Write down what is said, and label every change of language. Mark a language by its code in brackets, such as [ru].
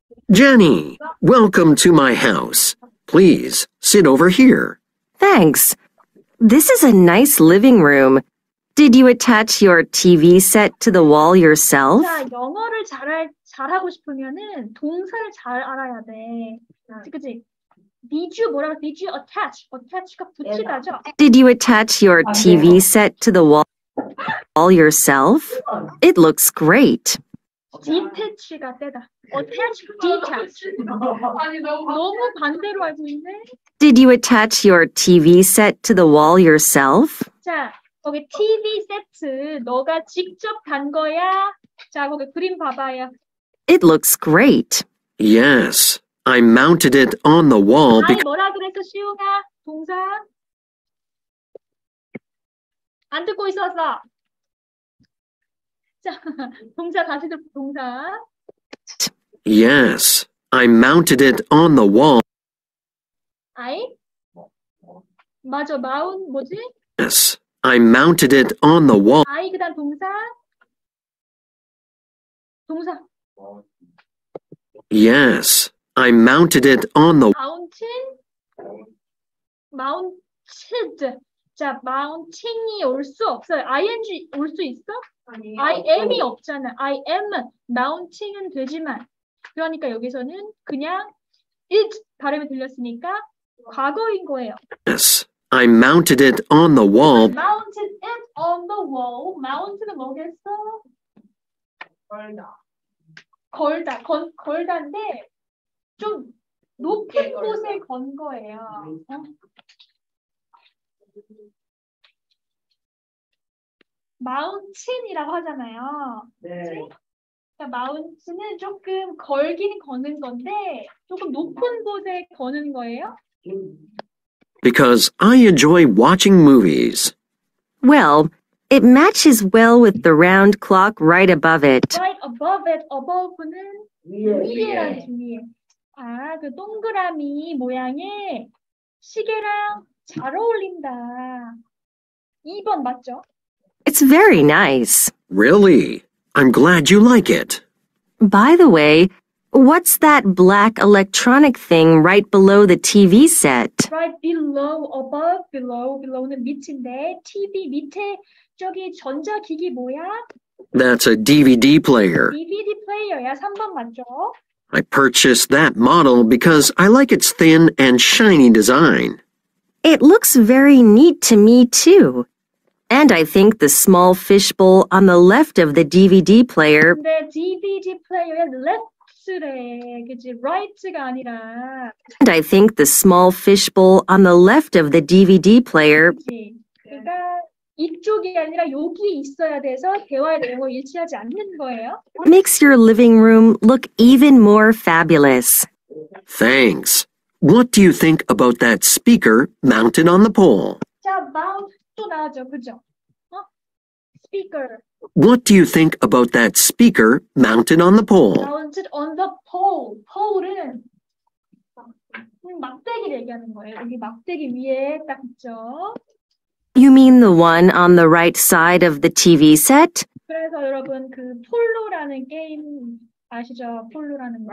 [en] Jenny, welcome to my house. Please sit over here. Thanks. This is a nice living room. Did you attach your TV set to the wall yourself? [ko] 자, 영어를 잘하고 싶으면은 동사를 잘 알아야 돼. 그치? [en] Did you [ko] 뭐라고? [en] Did you attach? [ko] Attach가 붙이다죠? [en] Did you attach your TV set to the wall all yourself? It looks great. [ko] Detach가 떼다. [en] Attach, detach. [ko] 아니, 너무 반대로 알고 있네. [en] Did you attach your TV set to the wall yourself? [ko] 자. 거기 TV 세트 너가 직접 단 거야? 자, 거기 그림 봐봐요. [en] It looks great. Yes, I mounted it on the wall. [ko] 아니, 뭐라 그랬어, 시우가? 동사? 안 듣고 있었어. 자, 동사 다시 듣고, 동사. [en] Yes, I mounted it on the wall. [ko] I? 맞아, mount 뭐지? [en] Yes, I mounted it on the wall. [ko] I 그다음 동사? 동사. [en] Yes, I mounted it on the mountain. Mounted. [ko] 자, mounting이 올 수 없어요. ing 올 수 있어? 아니요. I am이 없잖아. [en] I am mounting [ko] 은 되지만. 그러니까 여기서는 그냥 it 발음이 들렸으니까 과거인 거예요. [en] Yes, I mounted it on the wall. I mounted it on the wall. [ko] Mount는 뭐겠어? 걸다. 걸다. 걸다인데 좀 높은 곳에 건 거예요. 마운틴이라고 하잖아요. 네. 마운틴은 조금 걸긴 거는 건데 조금 높은 곳에 거는 거예요. [en] Because I enjoy watching movies. Well, it matches well with the round clock right above it. Right above it, above는 [ko] 위에라는 의미예요. 아, 그 동그라미 모양의 시계랑 잘 어울린다. 2번 맞죠? [en] It's very nice. Really? I'm glad you like it. By the way, what's that black electronic thing right below the TV set? Right below, above, below. [ko] Below는 밑인데, TV 밑에 저기 전자기기 뭐야? [en] That's a DVD player. [ko] DVD player야, 3번 맞죠? [en] I purchased that model because I like its thin and shiny design. It looks very neat to me, too. And I think the small fishbowl on the left of the DVD player... The DVD player is left래, [ko] 그치? Right가 아니라... [en] And I think the small fishbowl on the left of the DVD player... [ko] 그가 이쪽이 아니라 여기 있어야 돼서 대화의 내용을 일치하지 않는 거예요. [en] Makes your living room look even more fabulous. Thanks. What do you think about that speaker mounted on the pole? [ko] 자, mount 또 나왔죠, 그죠? 어? Speaker. [en] What do you think about that speaker mounted on the pole? Mounted on the pole. [ko] Pole은 막대기를 얘기하는 거예요. 여기 막대기 위에 딱 있죠. [en] You mean the one on the right side of the TV set? [ko] 그래서 여러분, 그 폴로라는 게임 아시죠? 폴로라는 거.